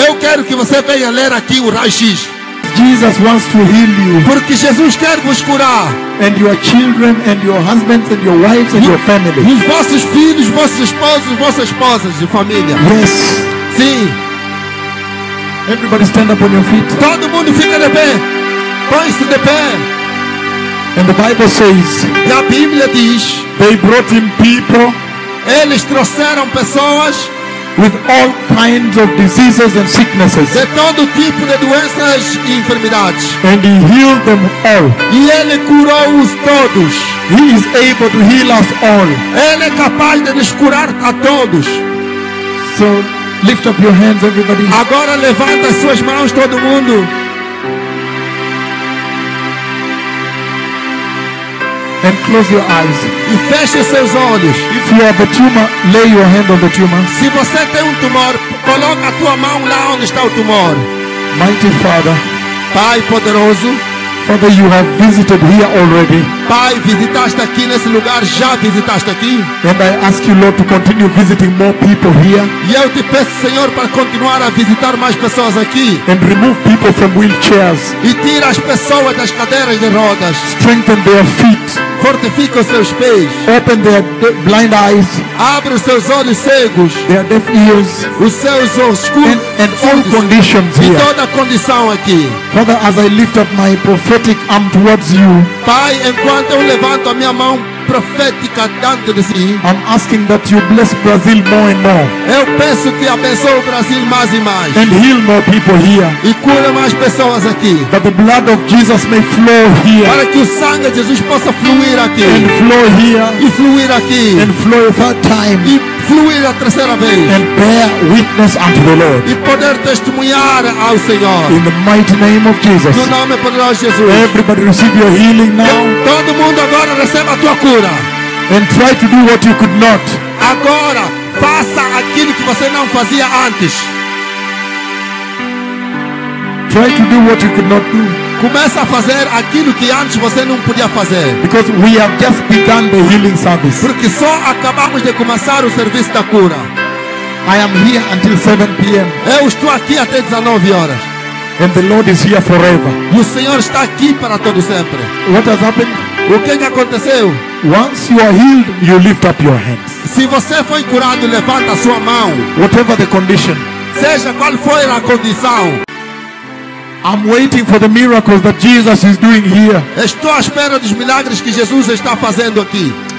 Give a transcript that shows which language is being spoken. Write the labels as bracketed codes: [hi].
[pt] Eu quero que você venha ler aqui o raio-x. [en] Jesus wants to heal you. [pt] Porque Jesus quer vos curar. [en] And your children, and your husbands, and your wives, and your family. [pt] Os vossos filhos, vossas esposas e família. [en] Yes. [pt] Sim. [en] Everybody stand up on your feet. [pt] Todo mundo fica de pé. Põe-se de pé. [en] And the Bible says. [pt] E a Bíblia diz. [en] They brought him people. [pt] Eles trouxeram pessoas. [en] with all kinds of diseases and sicknesses. [pt] De todo tipo de doenças e enfermidades. [en] And he healed them all. [pt] E ele curou-os todos. [en] He is able to heal us all. [pt] Ele é capaz de nos curar a todos. [en] So lift up your hands, everybody. [pt] Agora levanta as suas mãos, todo mundo. [en] And close your eyes. [pt] E feche seus olhos. [en] If you have a tumor, lay your hand on the tumor. [pt] Se você tem tumor, coloca a tua mão lá onde está o tumor. [en] Mighty Father, [pt] Pai poderoso, [en] Father, you have visited here already. [pt] Pai, visitaste aqui nesse lugar, já visitaste aqui. [en] And I ask you, Lord, to continue visiting more people here. [pt] E eu te peço, Senhor, para continuar a visitar mais pessoas aqui. [en] And remove people from wheelchairs. [pt] E tira as pessoas das cadeiras de rodas. [en] Strengthen their feet. [pt] Fortifica os seus pés. [en] Open their blind eyes. [pt] Abre os seus olhos cegos. [en] Their deaf ears. [pt] Os seus ouvidos. [en] And all conditions here. [pt] E toda condição aqui. [en] Father, as I lift up my prophetic arm towards you. [pt] Pai, enquanto eu levanto a minha mão profética diante de si, [en] I'm asking that you bless Brazil more and more. [pt] Eu peço que abençoe o Brasil mais e mais. [en] And heal more people here. [pt] E cura mais pessoas aqui. [en] That the blood of Jesus may flow here. [pt] Para que o sangue de Jesus possa fluir aqui. [en] And flow here. [pt] E fluir aqui. [en] And flow a third time. [pt] E fluir a terceira vez. [en] And bear witness unto the Lord. [pt] E poder testemunhar ao Senhor. [en] In the mighty name of Jesus. [pt] No nome poderoso de Jesus. [en] Everybody receive your healing now. [pt] Todo mundo agora receba a tua cura. [en] And try to do what you could not. [pt] Agora faça aquilo que você não fazia antes. [en] Try to do what you could not do. [pt] Começa a fazer aquilo que antes você não podia fazer. [en] Because we have just begun the healing service. [pt] Porque só acabamos de começar o serviço da cura. [en] I am here until 7 p.m. [pt] Eu estou aqui até 19 horas. [en] And the Lord is here forever. [pt] E o Senhor está aqui para todo sempre. [en] What has happened? [pt] O que aconteceu? [en] Once you are healed, you lift up your hands. [pt] Se você foi curado, levanta a sua mão. [en] Whatever the condition. [pt] Seja qual for a condição. [en] I'm waiting for the miracles that Jesus is doing here. [pt] Estou à espera dos milagres que Jesus está fazendo aqui.